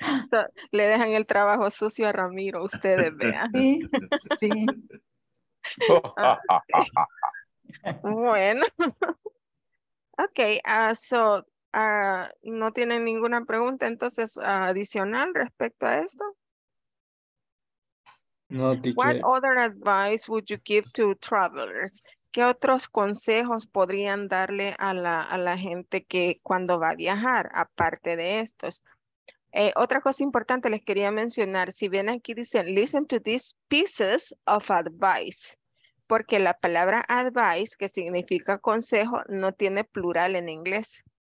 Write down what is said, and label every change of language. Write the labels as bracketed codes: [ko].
[es] So, le dejan el trabajo sucio a Ramiro, ustedes vean. Sí, sí. Bueno. Ok, ¿no tienen ninguna pregunta entonces adicional respecto a esto? No, teacher. [en] What other advice would you give to travelers? [es] ¿Qué otros consejos podrían darle a la gente que cuando va a viajar, aparte de estos? Otra cosa importante les quería mencionar, si ven aquí dicen, [en] listen to these pieces of advice, [es] porque la palabra advice, que significa consejo, no tiene plural en inglés.